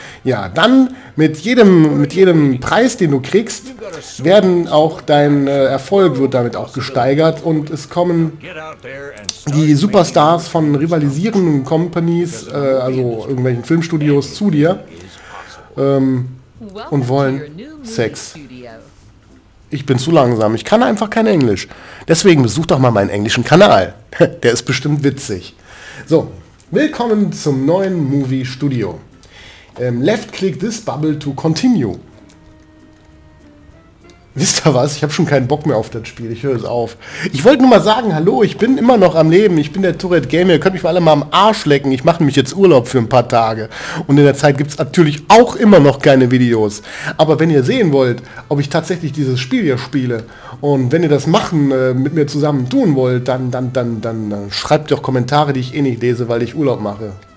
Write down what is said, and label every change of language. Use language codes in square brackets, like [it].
[de] Ja, dann mit jedem Preis, den du kriegst, werden auch dein Erfolg wird damit auch gesteigert und es kommen die Superstars von rivalisierenden Companies, also irgendwelchen Filmstudios zu dir und wollen Sex. Ich bin zu langsam, ich kann einfach kein Englisch. Deswegen besuch doch mal meinen englischen Kanal. Der ist bestimmt witzig. So, willkommen zum neuen Movie Studio. [en] Left click this bubble to continue. [de] Wisst ihr was? Ich habe schon keinen Bock mehr auf das Spiel. Ich höre es auf. Ich wollte nur mal sagen, hallo, ich bin immer noch am Leben. Ich bin der Tourette Gamer. Ihr könnt mich mal alle mal am Arsch lecken. Ich mache nämlich jetzt Urlaub für ein paar Tage. Und in der Zeit gibt es natürlich auch immer noch keine Videos. Aber wenn ihr sehen wollt, ob ich tatsächlich dieses Spiel hier spiele und wenn ihr das machen mit mir zusammen tun wollt, dann schreibt doch Kommentare, die ich eh nicht lese, weil ich Urlaub mache.